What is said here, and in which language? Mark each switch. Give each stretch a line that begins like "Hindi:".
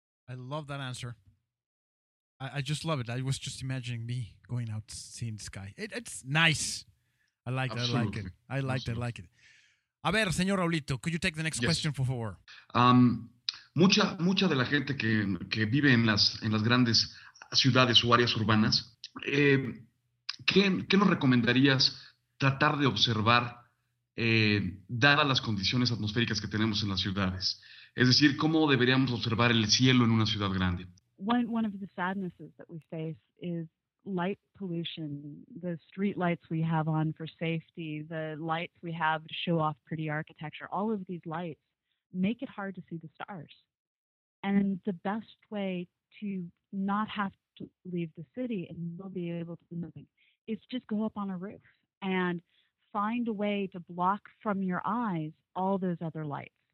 English: I love that answer. I just love it. I was just imagining me going out seeing the sky. It's nice. I like it. I like it.
Spanish: A ver, señor
English: Raulito, could you take the next question for four?
Spanish: Mucha de la gente que vive en las grandes ciudades o áreas urbanas, ¿Qué nos recomendarías tratar de observar, dadas las condiciones atmosféricas que tenemos en las ciudades? Es decir, ¿cómo deberíamos observar el cielo en una ciudad grande?
English: One of the sadnesses that we face is light pollution, the street lights we have on for safety, the lights we have to show off pretty architecture. All of these lights make it hard to see the stars. And the best way to not have to leave the city and still be able to move is just go up on a roof and find a way to block from your eyes all those other lights.